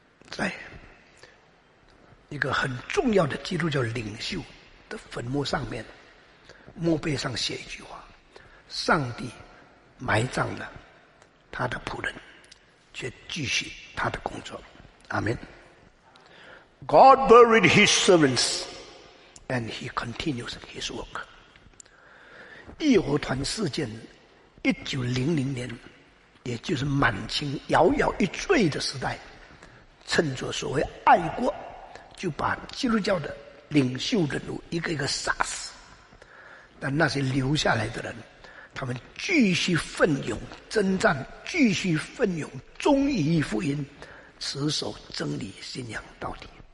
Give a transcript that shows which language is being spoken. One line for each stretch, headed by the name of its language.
Chinese: 在一个很重要的基督教领袖的坟墓上面，墓碑上写一句话，上帝埋葬了他的仆人，却继续他的工作。阿们。
English: God buried his servants and he continues his work。
Chinese: 义和团事件1900年也就是满清摇摇欲坠的时代，趁着所谓爱国，就把基督教的领袖人物一个一个杀死。但那些留下来的人，他们继续奋勇征战，继续奋勇忠义福音，持守真理信仰到底。